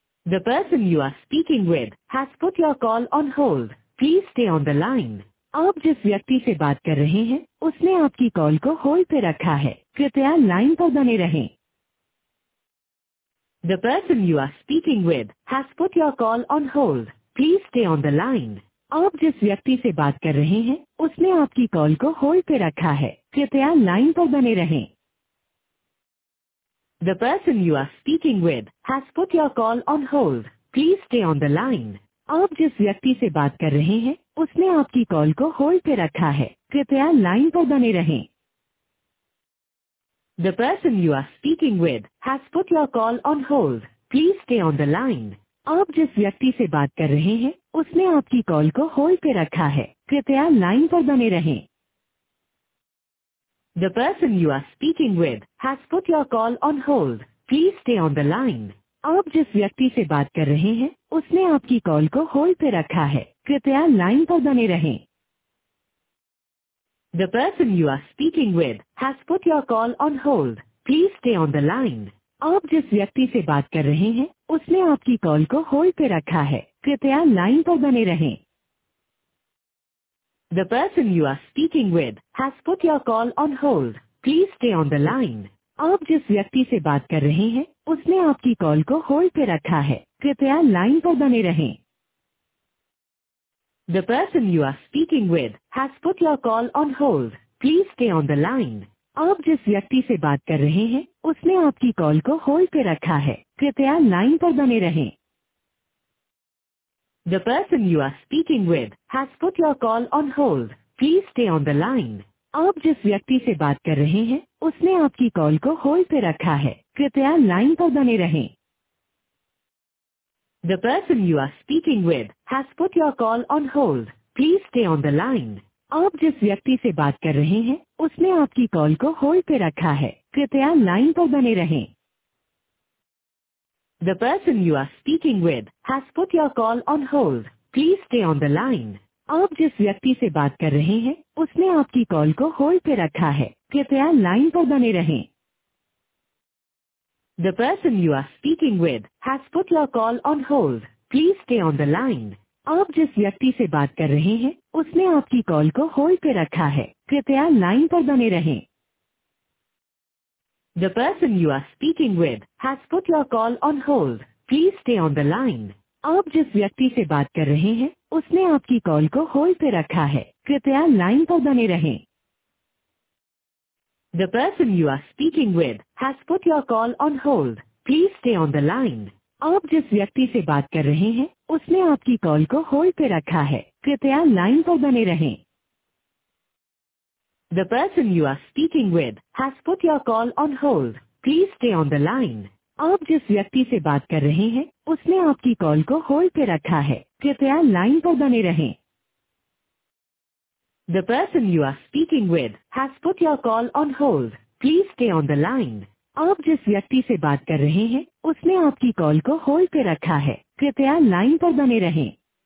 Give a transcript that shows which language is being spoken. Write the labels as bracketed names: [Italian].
[English] The person you are speaking with has put your call on hold. Please stay on the line. [Hindi] आप जिस व्यक्ति से बात कर रहे हैं उसने आपकी कॉल को होल्ड पे रखा है, कृपया लाइन पर बने रहें। [English] The person you are speaking with has put your call on hold. Please stay on the line. [Hindi] आप जिस व्यक्ति से बात कर रहे हैं उसने आपकी कॉल को होल्ड पे रखा है, कृपया लाइन पर बने रहें। [English] The person you are speaking with has put your call on hold. Please stay on the line. [Hindi] आप जिस व्यक्ति से बात कर रहे हैं उसने आपकी कॉल को होल्ड पे रखा है, कृपया लाइन पर बने रहें। [English] The person you are speaking with has put your call on hold. Please stay on the line. [Hindi] आप जिस व्यक्ति से बात कर रहे हैं उसने आपकी कॉल को होल्ड पे रखा है, कृपया लाइन पर बने रहें। [English] The person you are speaking with has put your call on hold. Please stay on the line. [Hindi] आप जिस व्यक्ति से बात कर रहे हैं उसने आपकी कॉल को होल्ड पे रखा है, कृपया लाइन पर बने रहें। [English] The person you are speaking with has put your call on hold. Please stay on the line. [Hindi] आप जिस व्यक्ति से बात कर रहे हैं उसने आपकी कॉल को होल्ड पे रखा है, कृपया लाइन पर बने रहें। [English] The person you are speaking with has put your call on hold. Please stay on the line. [Hindi] आप जिस व्यक्ति से बात कर रहे हैं उसने आपकी कॉल को होल्ड पे रखा है, कृपया लाइन पर बने रहें। [English] The person you are speaking with has put your call on hold. Please stay on the line. [Hindi] आप जिस व्यक्ति से बात कर रहे हैं उसने आपकी कॉल को होल्ड पे रखा है, कृपया लाइन पर बने रहें। [English] The person you are speaking with has put your call on hold. Please stay on the line. [Hindi] आप जिस व्यक्ति से बात कर रहे हैं उसने आपकी कॉल को होल्ड पे रखा है, कृपया लाइन पर बने रहें। [English] The person you are speaking with has put your call on hold. Please stay on the line. [Hindi] आप जिस व्यक्ति से बात कर रहे हैं उसने आपकी कॉल को होल्ड पे रखा है, कृपया लाइन पर बने रहें। [English] The person you are speaking with has put your call on hold. Please stay on the line. [Hindi] आप जिस व्यक्ति से बात कर रहे हैं उसने आपकी कॉल को होल्ड पे रखा है, कृपया लाइन पर बने रहें। [English] The person you are speaking with has put your call on hold. Please stay on the line. [Hindi] आप जिस व्यक्ति से बात कर रहे हैं उसने आपकी कॉल को होल्ड पे रखा है, कृपया लाइन पर बने रहें। [English] The person you are speaking with has put your call on hold. Please stay on the line. [Hindi] आप जिस व्यक्ति से बात कर रहे हैं उसने आपकी कॉल को होल्ड पे रखा है, कृपया लाइन पर बने रहें। [English] The person you are speaking with has put your call on hold. Please stay on the line. [Hindi] आप जिस व्यक्ति से बात कर रहे हैं उसने आपकी कॉल को होल्ड पे रखा है, कृपया लाइन पर बने रहें। [English] The person you are speaking with has put your call on hold. Please stay on the line. [Hindi] आप जिस व्यक्ति से बात कर रहे हैं उसने आपकी कॉल को होल्ड पे रखा है, कृपया लाइन पर बने रहें। [English] The person you are speaking with has put your call on hold. Please stay on the line. [Hindi] आप जिस व्यक्ति से बात कर रहे हैं उसने आपकी कॉल को होल्ड पे रखा है, कृपया लाइन पर बने रहें।